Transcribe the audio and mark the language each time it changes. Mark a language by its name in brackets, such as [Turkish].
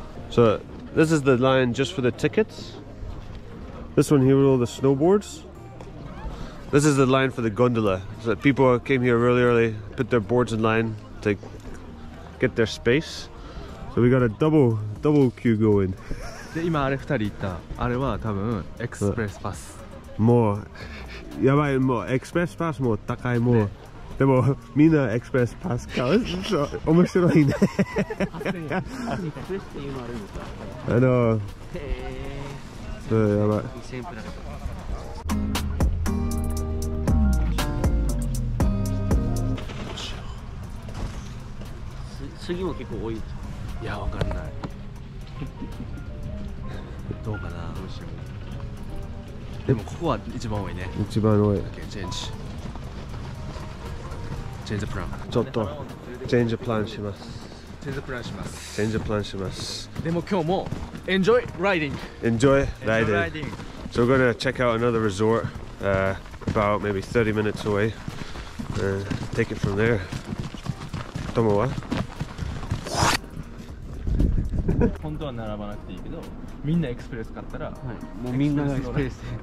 [English] So this is the line just for the tickets. This one here with all the snowboards. This is the line for the gondola. So people came here really early, put their boards in line to get their space. So we got a double queue going. [Japanese] で、今あれ2人行った。あれは多分エクスプレスパス。もう、やばい、もうエクスプレスパスも高い、もう。でもみんなエクスプレスパス買う。面白いね。8000円。エクスプレスっていうのあるんですか？あの、へぇー。やばい。次も結構多い。いや、わかんない。どうかな。どうしよう。でもここは一番多いね。一番多い。 [English] Okay, change. Change plan. [Japanese] ちょっと、 [English] change plan [Japanese] します。 [English] Change plan [Japanese] します。 [English] Change plan [Japanese] します。でも今日も、 [English] enjoy riding. Enjoy riding. So we're gonna check out another resort, about maybe 30 minutes away, and take it from there. [Japanese] Tomo wa? 本当は並ばなくていいけど、みんなエクスプレス買ったら、はい、もうみんなエクスプレス。